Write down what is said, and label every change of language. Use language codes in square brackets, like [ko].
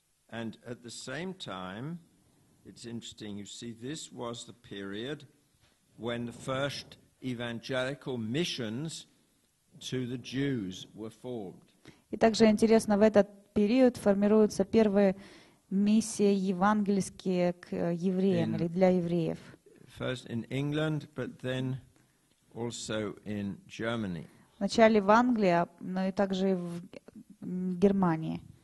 [en] And at the same time, it's interesting, you see, this was the period when the first evangelical missions to the Jews were formed. [ru] И также интересно, в этот период формируются первые миссии евангельские к евреям или для евреев. [en] First in England, but then also in Germany. [ru] Вначале в Англии, но и также в Германии.